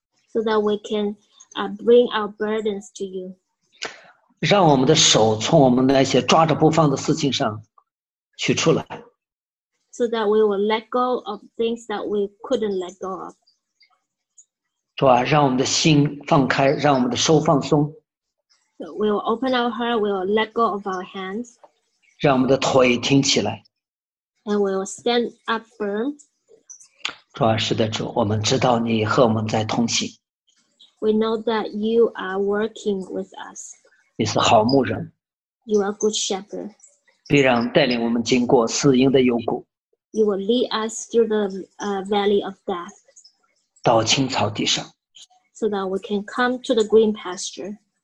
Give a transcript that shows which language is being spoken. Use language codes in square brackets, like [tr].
[en] So that we can bring our burdens to you. [zh] 让我们的手从我们那些抓着不放的事情上取出来。 [en] So that we will let go of things that we couldn't let go of. [zh] 主啊，让我们的心放开，让我们的手放松。 [en] So、we will open our heart, we will let go of our hands. [zh] 让我们的腿挺起来。 [en] And we will stand up firm. [zh] 主啊，是的，主，我们知道你和我们在同行。 [en] We know that you are working with us. [zh] 你是好牧人。 [en] You are a good shepherd. [zh] 必然带领我们经过死荫的幽谷。 [en] You will lead us through the valley of death. [zh] 到青草地上。 [en] So that we can come to the green pasture.